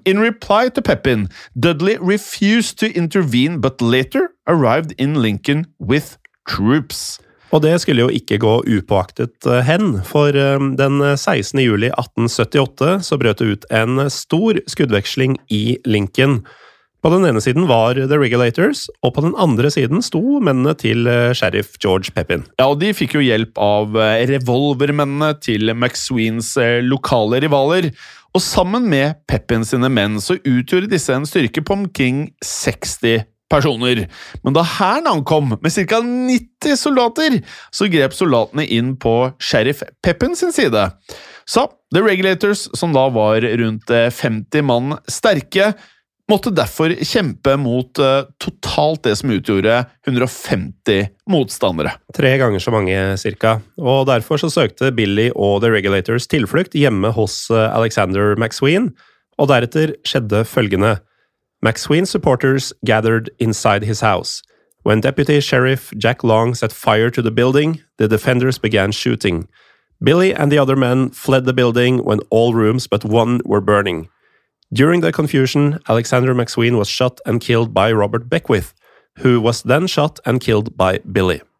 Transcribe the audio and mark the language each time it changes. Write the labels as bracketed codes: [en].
[en] In reply to Pippin, Dudley refused to intervene, but later arrived in Lincoln with troops. [no] Og det skulle jo ikke gå upåaktet hen, for den 16. juli 1878 så brøt det ut en stor skuddveksling i Lincoln. På den ene siden var The Regulators, og på den andre siden sto mennene til Sheriff George Pippin. Ja, og de fikk jo hjelp av revolvermennene til McSweens lokale rivaler. Og sammen med Pippin sine menn så utgjorde disse en styrke på omkring 60 personer. Men da hæren ankom med ca. 90 soldater, så grep soldatene inn på Sheriff Pippin sin side. Så The Regulators, som da var rundt 50 mann sterke, måtte derfor kjempe mot totalt det som utgjorde 150 motstandere. Tre ganger så mange, cirka. Og derfor så søkte Billy og The Regulators tilflukt hjemme hos Alexander McSween, og deretter skjedde følgende. [en] McSween's supporters gathered inside his house. When Deputy Sheriff Jack Long set fire to the building, the defenders began shooting. Billy and the other men fled the building when all rooms but one were burning. During the confusion, Alexander McSween was shot and killed by Robert Beckwith, who was then shot and killed by Billy.